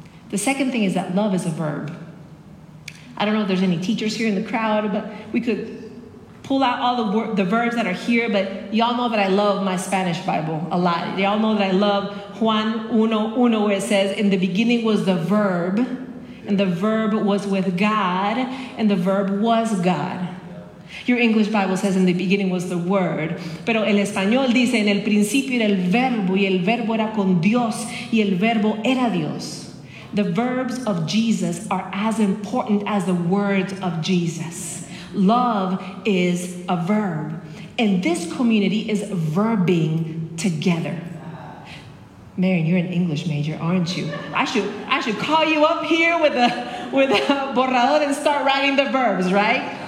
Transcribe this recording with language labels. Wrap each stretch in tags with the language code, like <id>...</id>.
<en>The second thing is that love is a verb. I don't know if there's any teachers here in the crowd, but we could pull out all the verbs that are here, but y'all know that I love my Spanish Bible a lot. Y'all know that I love Juan 1:1, where it says, in the beginning was the verb, and the verb was with God, and the verb was God. Your English Bible says, in the beginning was the word.</en> <es>Pero el español dice, en el principio era el verbo, y el verbo era con Dios, y el verbo era Dios.</es> <en>The verbs of Jesus are as important as the words of Jesus. Love is a verb. And this community is verbing together. Marion, you're an English major, aren't you? I should call you up here with a borrador and start writing the verbs, right?</en>